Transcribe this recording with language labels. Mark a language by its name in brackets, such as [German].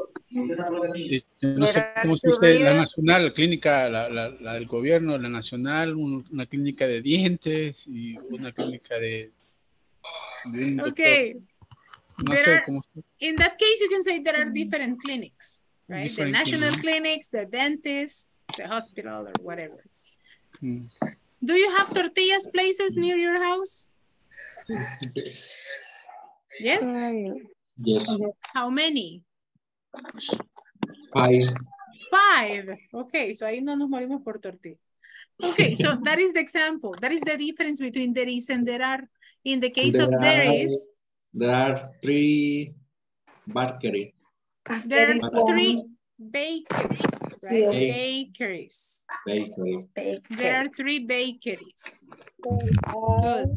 [Spanish] No sé cómo se dice, la nacional, la clínica, la del gobierno, la nacional, una clínica de dientes y una clínica de un doctor. [English] Okay. In that case, you can say there are different clinics, right? Different the national clinics, the dentist, the hospital, or whatever. Do you have tortillas places near your house? Yes? Yes. How many? Five. Okay, so [Spanish] ahí no nos morimos por tortilla. [English] Okay, so that is the example. That is the difference between there is and there are. In the case of there is... There are three bakeries. There are three bakeries, right? Bakeries. There are three bakeries. Good.